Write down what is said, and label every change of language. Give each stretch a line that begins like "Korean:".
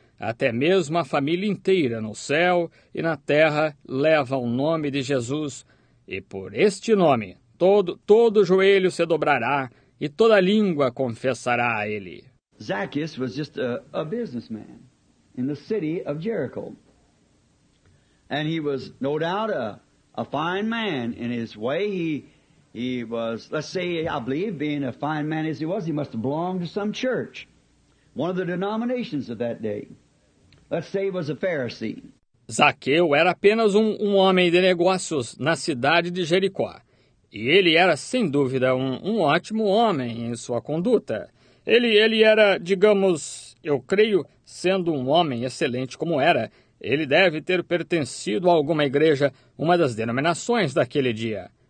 Portuguese: Até mesmo a família inteira no céu e na terra leva o nome de Jesus. E por este nome... Todo joelho se dobrará e toda língua confessará a ele.
English: Zacchaeus was just a businessman in the city of Jericho. And he was no doubt a fine man in his way. He was, let's say, I believe, being a fine man as he must have belonged to some church. One of the denominations of that day. Let's say he was a Pharisee.
Portuguese: Zaqueu era apenas um homem de negócios na cidade de Jericó. E ele era, sem dúvida, um ótimo homem em sua conduta. Ele era, digamos, eu creio, sendo um homem excelente como era, Ele deve ter pertencido a alguma igreja, uma das denominações daquele dia.